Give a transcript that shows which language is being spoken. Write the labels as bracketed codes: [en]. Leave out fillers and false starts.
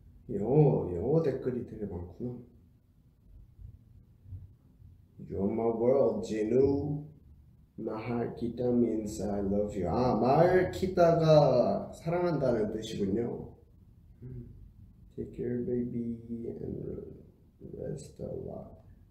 [ko] 영어 댓글이 되게 많구나. [en] You're my world, Jinu. 마할 키타 means I love you. [ko] 아, 마할 키타가 사랑한다는 뜻이군요. [en] Take care, baby, and rest a lot.